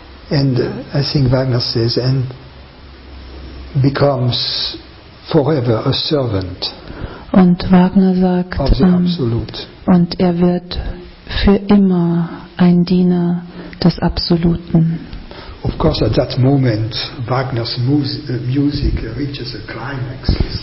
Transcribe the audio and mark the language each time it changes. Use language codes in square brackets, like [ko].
[en] And I think Wagner says, and becomes forever a servant. [de] Und Wagner sagt, [en] of the absolute. [de] Und er wird für immer ein Diener des Absoluten. [en] Of course, at that moment, Wagner's music reaches a climax.